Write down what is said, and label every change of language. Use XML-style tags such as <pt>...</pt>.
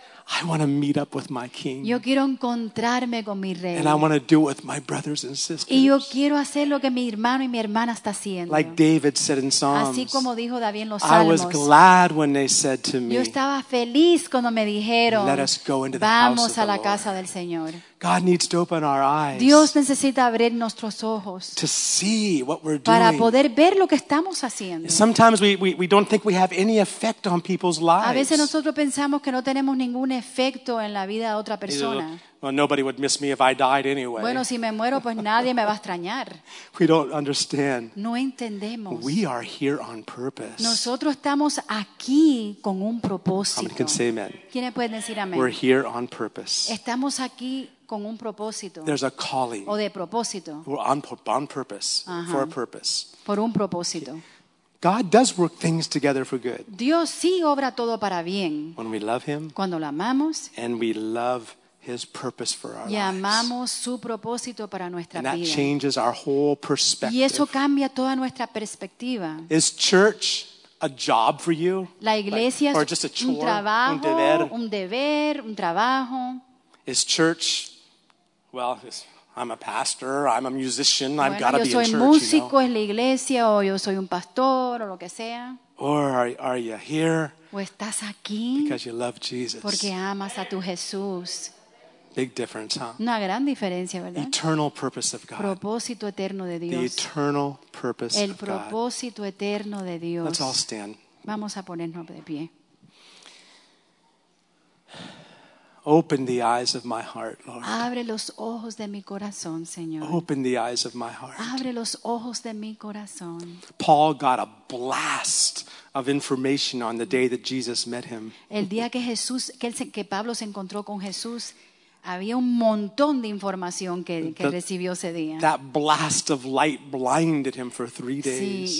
<en>I want to meet up with my King.</en> <es>Yo quiero encontrarme con mi rey.</es> <en>And I want to do it with my brothers and sisters.</en> <es>Y yo quiero hacer lo que mi hermano y mi hermana está haciendo.</es> <en>Like David said in Psalms.</en> <es>Así como dijo David en los</es> <en>Salmos. I was glad when they said to me.</en> <es>Yo estaba feliz cuando me dijeron.</es> <en>Let us go into the</en> <es>vamos</es> <en>house of</en> <es>a la</es> <en>the</en> <es>casa</es> <en>Lord.</en> <es>Del Señor.</es> <en>God needs to open our eyes.</en> <es>Dios necesita abrir nuestros ojos.</es> <en>To see what we're doing.</en> <es>Para poder ver lo que estamos haciendo.</es> <en>Sometimes we don't think we have any effect on people's lives.</en> <es>A veces nosotros pensamos que no tenemos ningún efecto en la vida de otra persona.</es> <en>Well, nobody would miss me if I died anyway.</en> <es>Bueno, si me muero, pues nadie me va a extrañar.</es> <en>We don't understand.</en> <es>No entendemos.</es> <en>We are here on purpose.</en> <es>Nosotros estamos aquí con un propósito.</es> <en>Somebody can say amen.</en> <es>¿Quiénes pueden decir amén?</es> <en>We're here on purpose.</en> <es>Estamos aquí con un propósito.</es> <en>There's a calling.</en> <es>O de propósito.</es> <en>We're on purpose. Uh-huh. For a purpose.</en> <es>Por un propósito.</es> <en>God does work things together for good.</en> <es>Dios sí obra todo para bien.</es> <en>When we love Him.</en> <es>Cuando lo amamos.</es> <en>And we love His purpose for our lives.</en> <es>Y amamos su propósito para nuestra vida.</es> <en>And that changes our whole perspective.</en> <es>Y eso cambia toda nuestra perspectiva.</es> <en>Is church a job for you?</en> <es>La iglesia</es> <en>like, or just a chore,</en> <es>un trabajo, un deber? Un deber, un trabajo.</es> <en>Is church, well, I'm a pastor, I'm a musician,</en> <es>bueno,</es> <en>I've got to be in church,</en> <es>yo soy músico,</es> <en>you know?</en> <es>Es la iglesia, o yo soy un pastor, o lo que sea.</es> <en>Or are you here?</en> <es>O estás aquí.</es> <en>Because you love Jesus.</en> <es>Porque amas a tu Jesús.</es> <en>Big difference, huh?</en> <es>Una gran diferencia, ¿verdad?</es> <en>Eternal purpose of God.</en> <es>Propósito eterno de Dios.</es> <en>The eternal purpose</en> <es>El propósito</es> <en>of God.</en> <es>Eterno de Dios.</es> <en>Let's all stand.</en> <es>Vamos a ponernos de pie.</es> <en>Open the eyes of my heart, Lord.</en> <es>Abre los ojos de mi corazón, Señor.</es> <en>Open the eyes of my heart.</en> <es>Abre los ojos de mi corazón.</es> <en>Paul got a blast of information on the day that Jesus met him.</en> <es>El día que Jesús, que Pablo se encontró con Jesús, había un montón de información que recibió ese día.</es> <en>That blast of light blinded him for 3 days.</en>